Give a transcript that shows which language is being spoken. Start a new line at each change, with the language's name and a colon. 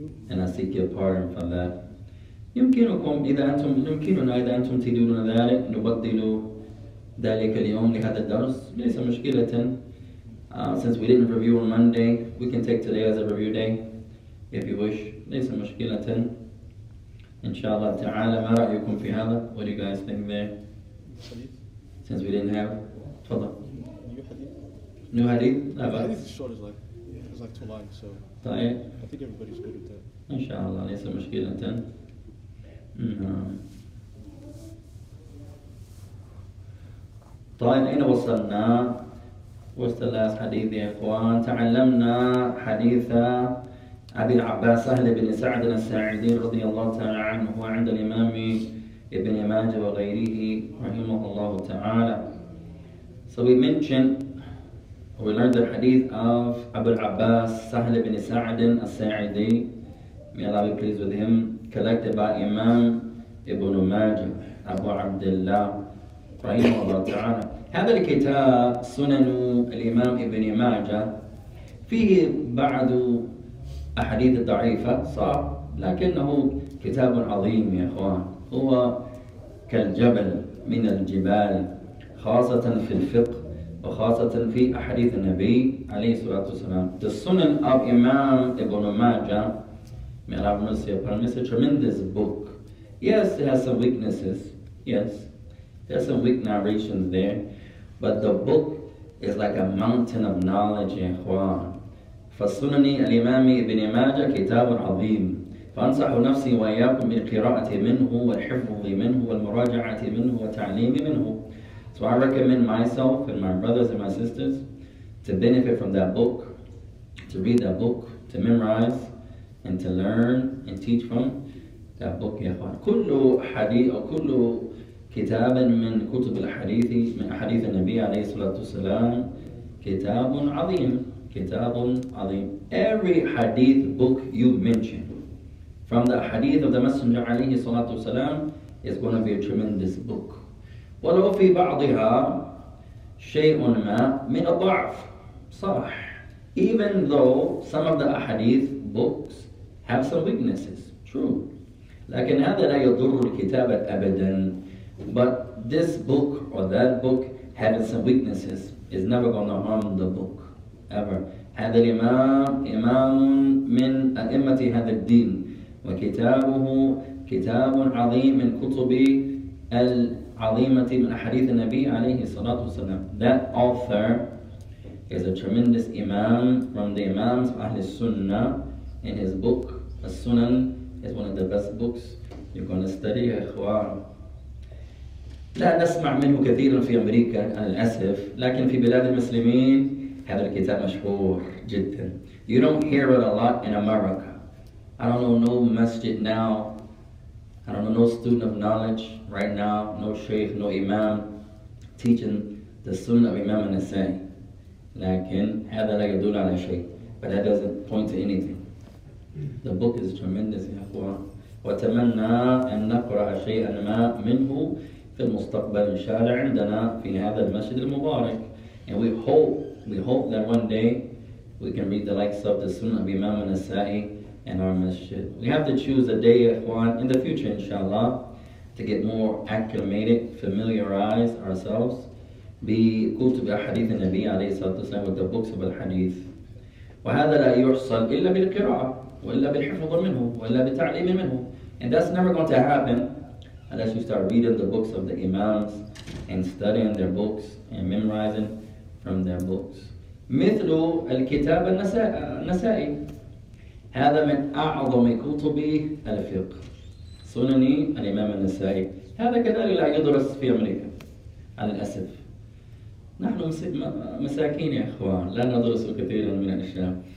English: And I seek your pardon for that.
Arabic: يمكنكم إذا أنتم يمكننا إذا أنتم تدورون ذلك نبطلوا ذلك اليوم لهذا الدرس ليس مشكلة.
English: Since we didn't review on Monday, we can take today as a review day if you wish.
Arabic: ليس مشكلة. Inshallah ta'ala, ma ra'yukum fi hadha?
English: What do you guys think there? Hadith? Since we didn't have, tafadhal. New hadith? New hadith? The hadith is short, it's like 2 lines, so.
Arabic: Ta'ay?
English: I think everybody's good with that.
Arabic: Inshallah, laysa mushkilatan. Ta'ayn, ayna wasalna?
English: What's the last hadith,
Arabic: ya ikhwan? Ta'allamna haditha أبي العباس سهل بن سعد الساعدي رضي الله تعالى عنه وعند الإمام ابن ماجه وغيره رحمه الله تعالى.
English: So we mentioned, we learned the hadith of أبي العباس سهل بن سعد الساعدي, may Allah be pleased with him, collected by Imam ابن ماجه أبو عبد الله رحمه الله تعالى.
Arabic: هذا الكتاب سنن الإمام ابن ماجه فيه بعض أحاديث ضعيفة صعب, لكنه كتاب عظيم يا إخوان, هو كالجبل من الجبال, خاصة في الفقه وخاصة في أحاديث النبي عليه الصلاة والسلام.
English: The Sunan of Imam Ibn Majah, may Allah have mercy upon him, is a tremendous book. Yes, it has some weaknesses. Yes, there are some weak narrations there, but the book is like a mountain of knowledge, يا إخوان.
Arabic: فالسنن الإمام ابن ماجة كتاب عظيم, فأنصح نفسي وإياكم بالقراءة منه والحفظ منه والمراجعة منه والتعليم منه.
English: So I recommend myself and my brothers and my sisters to benefit from that book, to read that book, to memorize and to learn and teach from that book.
Arabic: يا أخوان, كل حديث أو كل كتاب من كتب الحديث من أحاديث النبي عليه الصلاة والسلام كتاب عظيم. كتاب عظيم.
English: Every hadith book you mention from the hadith of the Messenger عليه الصلاة والسلام is going to be a tremendous book.
Arabic: ولو في بعضها shay'un ma min al-da'f. Sah.
English: Even though some of the ahadith books have some weaknesses. True.
Arabic: لكن هذا لا يضر الكتابة أبدا.
English: But this book or that book having some weaknesses is never going to harm the book. Ever.
Arabic: هذا الإمام إمام من أئمة هذا الدين وكتابه كتاب عظيم من كتب العظيمة من أحاديث النبي عليه الصلاة والسلام.
English: That author is a tremendous Imam from the Imams of Ahl Sunnah. In his book, As-Sunan is one of the best books you're going to study.
Arabic: إخوان لا نسمع منه كثيرا في أمريكا للأسف لكن في بلاد المسلمين هذا الكتاب مشهور جدا.
English: You don't hear it a lot in America. I don't know no masjid now. I don't know no student of knowledge right now. No sheikh, no imam teaching the sunnah of Imam al-Nasa'i.
Arabic: لكن هذا لا يدل على شيء.
English: But that doesn't point to anything. The book is tremendous, يا أخوان.
Arabic: وتمنى أن نقرأ شيئا ما منه في المستقبل إن شاء الله عندنا في هذا المسجد المبارك.
English: And we hope that one day we can read the likes of the Sunnah of Imam al-Nasa'i in our masjid. We have to choose a day, Ikhwan, in the future, inshallah, to get more acclimated, familiarize ourselves, be
Arabic: kutub al-hadith al-Nabi alayhi salatu wasalam
English: with the books of al-hadith.
Arabic: وَهَذَا لَا يُحْصَلْ إِلَّا بِالْقِرَاءَةِ وَإِلَّا بِالْحِفْظِ مِنْهُ وَإِلَّا بِالتَّعْلِيمِ مِنْهُ.
English: And that's never going to happen unless you start reading the books of the Imams and studying their books and memorizing from their books.
Arabic: مِثْلُ الْكِتَابَ النَّسَائِي هَذَا مِنْ أَعْظَمِ كُتُبِ الْفِقْهِ سُنَنِ الْإِمَامِ النَّسَائِي هَذَا كَذَلِكَ لَا يُدْرَسْ فِي أَمْرِكَ عَلَى الْأَسَفْ نحن مساكين يا أخوان لا ندرس كثيرا من الأشياء.